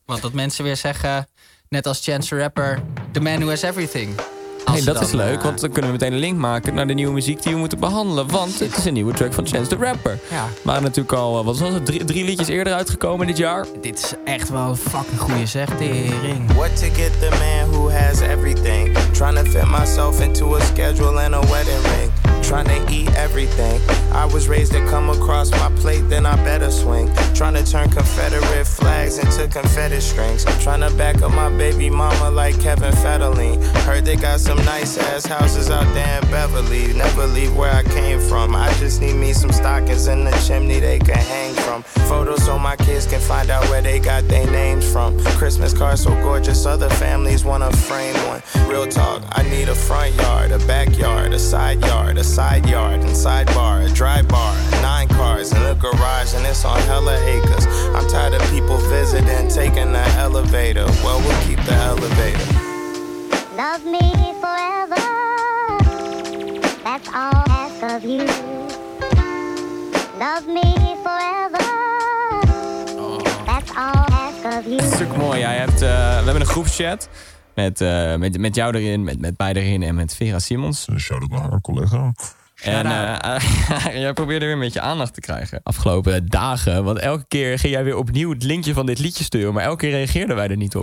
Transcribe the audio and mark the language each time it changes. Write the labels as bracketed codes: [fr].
[nl] Want dat mensen weer zeggen, net als Chance the Rapper, the man who has everything. Hey, dat is leuk, want dan kunnen we meteen een link maken naar de nieuwe muziek die we moeten behandelen. Want het is een nieuwe track van Chance the Rapper. Ja. Waren natuurlijk al, wat was het, drie liedjes eerder uitgekomen dit jaar. Dit is echt wel een fucking goede zeg, tering. [en] What to get the man who has everything. Trying to fit myself into a schedule and a wedding ring. Trying to eat everything. I was raised to come across my plate, then I better swing. Trying to turn Confederate flags into confetti strings. Trying to back up my baby mama like Kevin Federline. Heard they got some nice ass houses out there in Beverly. Never leave where I came from. I just need me some stockings in the chimney they can hang from. Photos so my kids can find out where they got their names from. Christmas cards so gorgeous, other families wanna frame one. Real talk, I need a front yard, a backyard, a side yard, a side yard and sidebar, a drive bar, 9 cars and a garage, and it's on hella acres. I'm tired of people visiting, taking the elevator. Well, we'll keep the elevator. Love me forever, that's all I ask of you. Love me forever, that's all I ask of you. [nl] Dat is ook mooi, we hebben een groepschat. Met jou erin, met mij erin en met Vera Simons. Shout-out naar haar collega. En jij probeerde weer een beetje aandacht te krijgen. Afgelopen dagen. Want elke keer ging jij weer opnieuw het linkje van dit liedje sturen. Maar elke keer reageerden wij er niet op.